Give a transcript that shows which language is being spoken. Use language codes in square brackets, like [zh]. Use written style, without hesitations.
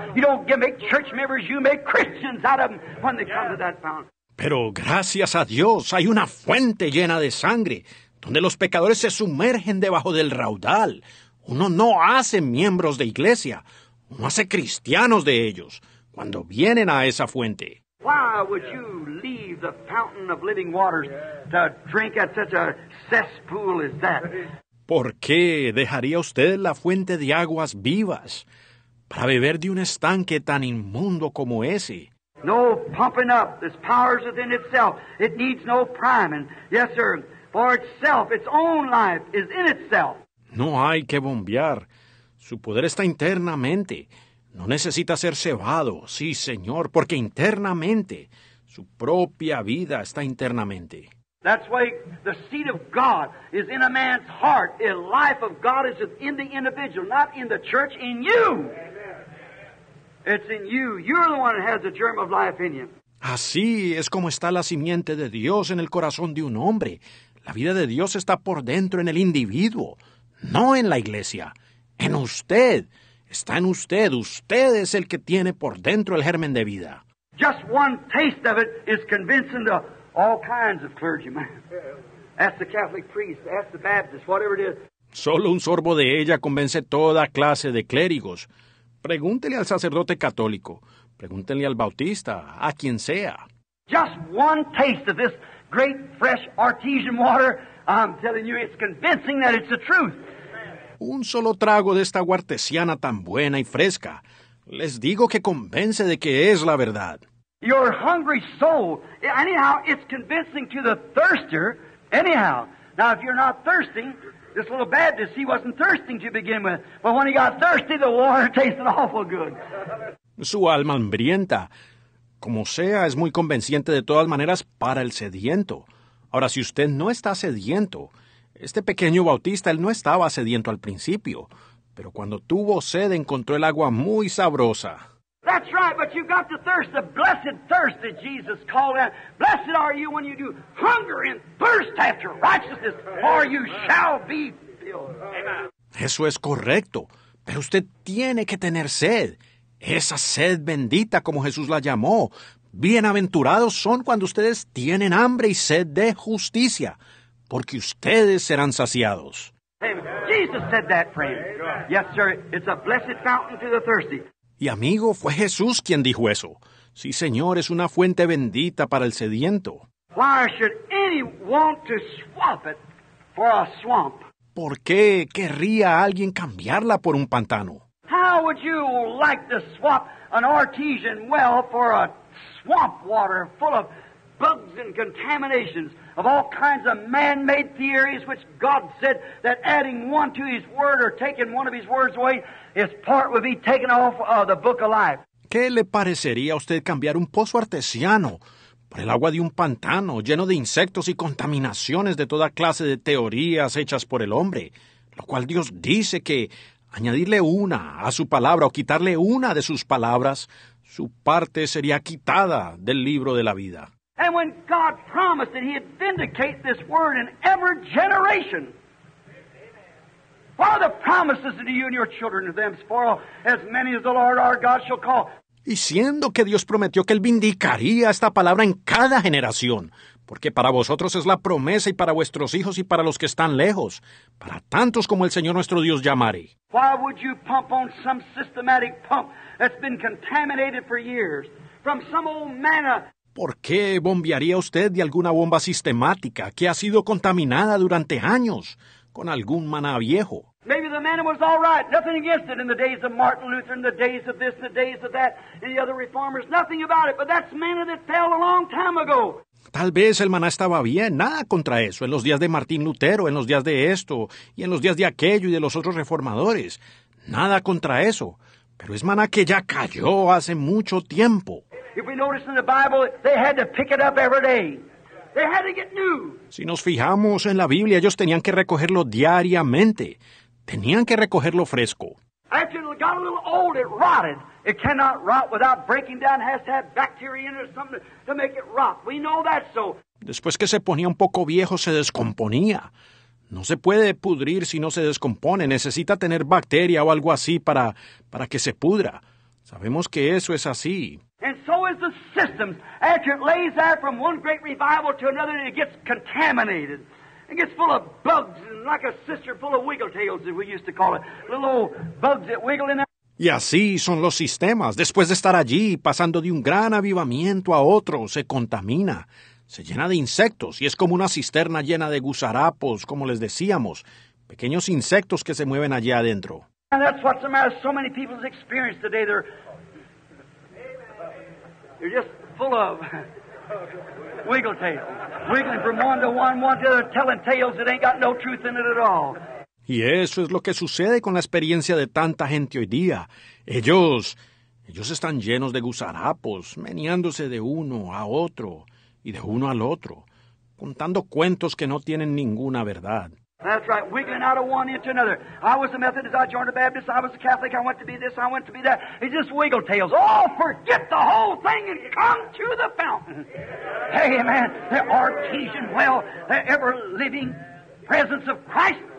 [en] You don't make church members, you make Christians out of them when they come to that fountain. [es] Pero gracias a Dios, hay una fuente llena de sangre donde los pecadores se sumergen debajo del raudal. Uno no hace miembros de iglesia, uno hace cristianos de ellos cuando vienen a esa fuente. [en] Why would you leave the fountain of living waters to drink at such a cesspool as that? [es] ¿Por qué dejaría usted la fuente de aguas vivas para beber de un estanque tan inmundo como ese? [en] No pumping up. This power's within itself. It needs no priming. Yes, sir. For itself, its own life is in itself. [es] No hay que bombear. Su poder está internamente. No necesita ser cebado. Sí, señor, porque internamente, su propia vida está internamente. [en] That's why the seed of God is in a man's heart. The life of God is in the individual, not in the church, in you. It's in you. You're the one that has the germ of life in you. [es] Así es como está la simiente de Dios en el corazón de un hombre. La vida de Dios está por dentro en el individuo, no en la iglesia. En usted. Está en usted. Usted es el que tiene por dentro el germen de vida. [en] Just one taste of it is convincing to all kinds of clergymen. Ask the Catholic priest, ask the Baptist, whatever it is. [es] Solo un sorbo de ella convence toda clase de clérigos. Pregúntele al sacerdote católico, pregúntele al bautista, a quien sea. [en] Just one taste of this great fresh artesian water, I'm telling you, it's convincing that it's the truth. [es] Un solo trago de esta agua artesiana tan buena y fresca, les digo que convence de que es la verdad. [en] Your hungry soul, anyhow, it's convincing to the thirster, anyhow. Now, if you're not thirsting, this little Baptist, he wasn't thirsting to begin with. But when he got thirsty, the water tasted awful good. [es] Su alma hambrienta, como sea, es muy convenciente de todas maneras para el sediento. Ahora, si usted no está sediento, este pequeño bautista, él no estaba sediento al principio, pero cuando tuvo sed, encontró el agua muy sabrosa. [en] That's right, but you've got the thirst, the blessed thirst that Jesus called out. Blessed are you when you do hunger and thirst after righteousness, for you shall be filled. [es] Eso es correcto, pero usted tiene que tener sed. Esa sed bendita, como Jesús la llamó. Bienaventurados son cuando ustedes tienen hambre y sed de justicia, porque ustedes serán saciados. [en] Amen. Jesus said that, friend. Yes, sir, it's a blessed fountain to the thirsty. [es] Y amigo, fue Jesús quien dijo eso. Sí, señor, es una fuente bendita para el sediento. [en] Why should any want to swap it for a swamp? [es] ¿Por qué querría alguien cambiarla por un pantano? [en] How would you like to swap an artesian well for a swamp water full of bugs and contaminations of all kinds of man-made theories which God said that adding one to his word or taking one of his words away, his part would be taken off of the book of life? [es] ¿Qué le parecería a usted cambiar un pozo artesiano por el agua de un pantano lleno de insectos y contaminaciones de toda clase de teorías hechas por el hombre? Lo cual Dios dice que añadirle una a su palabra o quitarle una de sus palabras, su parte sería quitada del libro de la vida. [en] And when God promised that he'd vindicate this word in every generation. For the promises unto you and your children to them, for as many as the Lord our God shall call. [es] Y siendo que Dios prometió que él vindicaría esta palabra en cada generación, porque para vosotros es la promesa y para vuestros hijos y para los que están lejos, para tantos como el Señor nuestro Dios llamare. [en] Why would you pump on some systematic pump that's been contaminated for years from some old manna? [es] ¿Por qué bombearía usted de alguna bomba sistemática que ha sido contaminada durante años con algún maná viejo? [en] Maybe the manna was all right. Nothing against it in the days of Martin Luther, in the days of this, in the days of that, and the other reformers. Nothing about it, but that's manna that fell a long time ago. [es] Tal vez el maná estaba bien, nada contra eso, en los días de Martín Lutero, en los días de esto, y en los días de aquello y de los otros reformadores. Nada contra eso, pero es maná que ya cayó hace mucho tiempo. [en] If we notice in the Bible, they had to pick it up every day. They had to get new. [es] Si nos fijamos en la Biblia, ellos tenían que recogerlo diariamente. Tenían que recogerlo fresco. [en] After it got a little old, it rotted. It cannot rot without breaking down. It has to have bacteria in it or something to make it rot. We know that so. [es] Después que se ponía un poco viejo, se descomponía. No se puede pudrir si no se descompone. Necesita tener bacteria o algo así para que se pudra. Sabemos que eso es así. [en] And so is the system. After it lays there from one great revival to another, it gets contaminated. It gets full of bugs, and like a sister full of wiggle tails, as we used to call it. Little old bugs that wiggle in there. [es] Y así son los sistemas. Después de estar allí, pasando de un gran avivamiento a otro, se contamina. Se llena de insectos y es como una cisterna llena de gusarapos, como les decíamos. Pequeños insectos que se mueven allí adentro. [en] And that's what's the matter. So many people's experience today, they're just full of wiggle tails. Wiggling from one to one, one to the other, telling tales that ain't got no truth in it at all. [es] Y eso es lo que sucede con la experiencia de tanta gente hoy día. Ellos están llenos de gusarapos, meneándose de uno a otro y de uno al otro, contando cuentos que no tienen ninguna verdad. [en] That's right, wiggling out of one into another. I was a Methodist, I joined a Baptist, I was a Catholic, I went to be this, I went to be that. It's just wiggle tails. Oh, forget the whole thing and come to the fountain. Hey, amen, the artesian well, the ever-living presence of Christ.